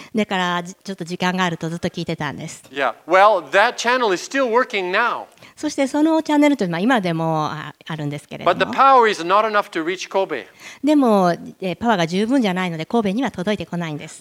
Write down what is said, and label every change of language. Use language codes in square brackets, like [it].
[ja] だからちょっと時間があるとずっと聞いてたんです。 [en] Yeah. Well, that channel is still working now. [ja] そしてそのチャンネルというのは今でもあるんですけれども。 [en] But the power is not enough to reach Kobe. [ja] でもパワーが十分じゃないので神戸には届いてこないんです。